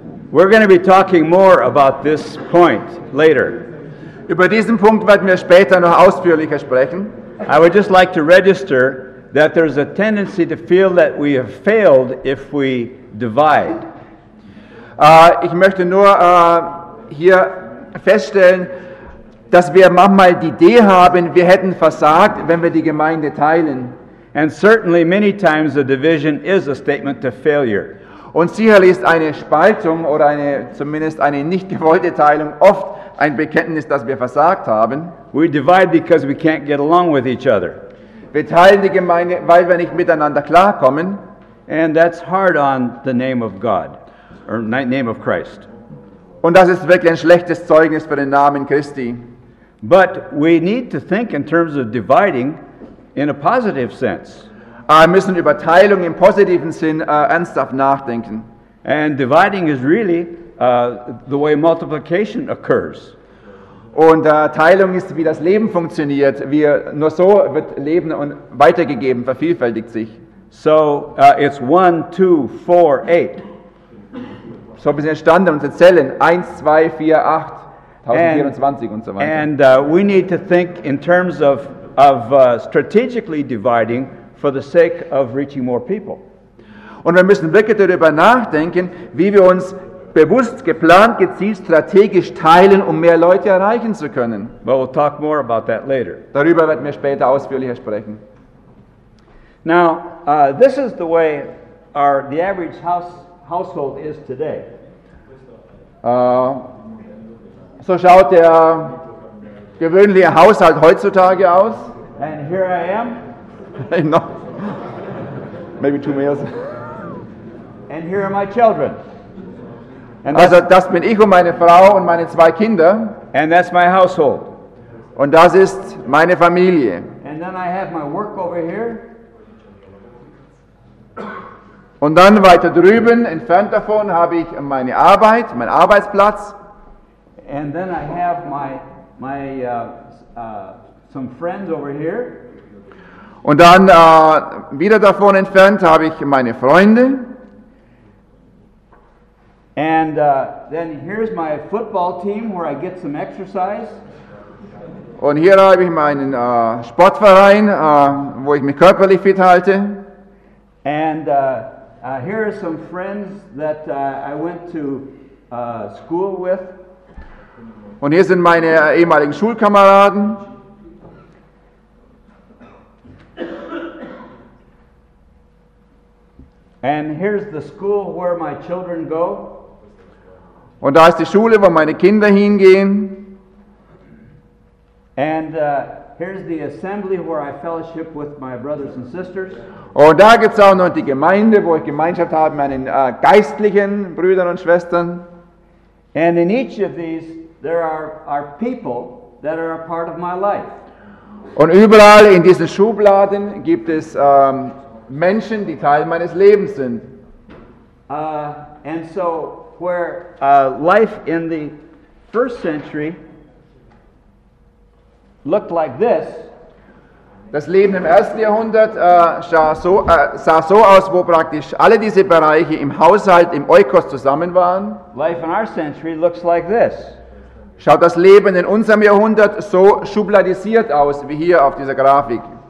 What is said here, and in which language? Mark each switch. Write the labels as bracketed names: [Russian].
[English] We're going to be talking more about this point later. [German] Über diesen Punkt werden wir später noch ausführlicher sprechen. [English] I would just like to register that there's a tendency to feel that we have failed if we divide. [German] Ich möchte nur hier feststellen, dass wir manchmal die Idee haben, wir hätten versagt, wenn wir die Gemeinde teilen. [English] And certainly many times a division is a statement to failure. [German] Und sicherlich ist eine Spaltung oder eine zumindest eine nicht gewollte Teilung oft ein Bekenntnis, dass wir versagt haben. [English] We divide because we can't get along with each other. [German] Wir teilen die Gemeinde, weil wir nicht miteinander klarkommen. [English] And that's hard on the name of God, or name of Christ. [German] Und das ist wirklich ein schlechtes Zeugnis für den Namen Christi. [English] But we need to think in terms of dividing in a positive sense. [German] Wir müssen über Teilung im positiven Sinn ernsthaft nachdenken. [English] And dividing is really the way multiplication occurs. [German] Und Teilung ist, wie das Leben funktioniert. Wir, nur so wird Leben und weitergegeben, vervielfältigt sich. [English] So it's 1, 2, 4, 8. [German] So wir sind entstanden, unsere Zellen 1, 2, 4, 8, 1024 und so weiter. [English] And we need to think in terms of strategically dividing for the sake of reaching more people. [German] Und wir müssen wirklich darüber nachdenken, wie wir uns bewusst, geplant, gezielt, strategisch teilen, um mehr Leute erreichen zu können. [English] But we'll talk more about that later. [German] Darüber werden wir später ausführlicher sprechen. [English] Now, this is the way the average household is today. [German] So schaut der gewöhnliche Haushalt heutzutage aus. [English] And here I am. No. Maybe two males. And here are my children. [German] And also das bin ich und meine Frau und meine zwei Kinder. [English] And that's my household. [German] Und das ist meine Familie. [English] And then I have my work over here. [German] Und dann weiter drüben, entfernt davon, habe ich meine Arbeit, meinen Arbeitsplatz. [English] And then I have some friends over here. [German] Und dann wieder davon entfernt habe ich meine Freunde. [English] And then here's my football team where I get some exercise. [German] Und hier habe ich meinen Sportverein, wo ich mich körperlich fit halte. [English] And here are some friends that I went to school with. [German] Und hier sind meine ehemaligen Schulkameraden. [English] And here's the school where my children go. [German] Und da ist die Schule, wo meine Kinder hingehen. [English] And here's the assembly where I fellowship with my brothers and sisters. [German] Und da gibt es auch noch die Gemeinde, wo ich Gemeinschaft habe mit meinen geistlichen Brüdern und Schwestern. [English] And in each of these there are people that are a part of my life. [German] Und überall in diesen Schubladen gibt es Menschen, die Teil meines Lebens sind. [English] And so where life in the first century looked like this. [German] Das Leben im ersten Jahrhundert sah so aus, wo praktisch alle diese Bereiche im Haushalt, im Oikos zusammen waren. [English] Life in our century looks like this. [German] Schaut das Leben in unserem Jahrhundert so schubladisiert aus, wie hier auf dieser Grafik.